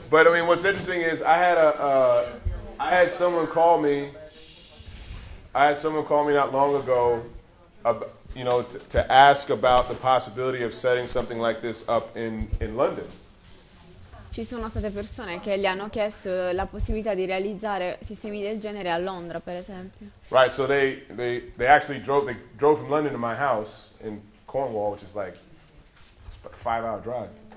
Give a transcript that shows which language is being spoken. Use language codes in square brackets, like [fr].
[en] But I mean, what's interesting is I had someone call me not long ago, you know, to ask about the possibility of setting something like this up in London. [it] Ci sono state persone che gli hanno chiesto la possibilità di realizzare sistemi del genere a Londra, per esempio. [en] Right, so they actually drove from London to my house in Cornwall, which is like a 5-hour drive.